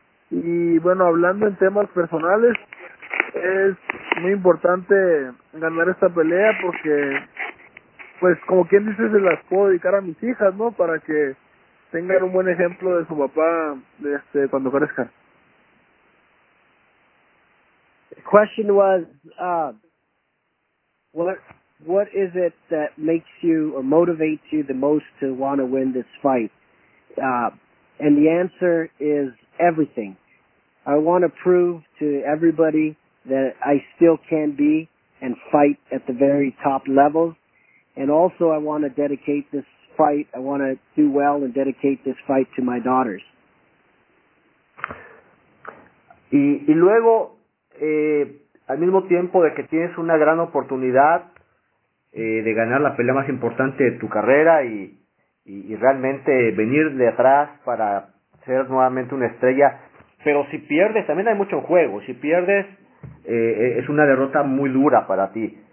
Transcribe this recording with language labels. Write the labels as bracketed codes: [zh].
[es] Y, bueno, hablando en temas personales, es muy importante ganar esta pelea porque, pues, como quien dice, se las puedo dedicar a mis hijas, ¿no? Para que tengan un buen ejemplo de su papá cuando crezca. [en] The question was, what is it that makes you or motivates you the most to want to win this fight? And the answer is everything. I want to prove to everybody that I still can be and fight at the very top levels. And also I want to dedicate this fight. I want to do well and dedicate this fight to my daughters. [es] Y luego, al mismo tiempo de que tienes una gran oportunidad de ganar la pelea más importante de tu carrera y realmente venir de atrás para ser nuevamente una estrella, pero si pierdes, también hay mucho en juego, si pierdes es una derrota muy dura para ti.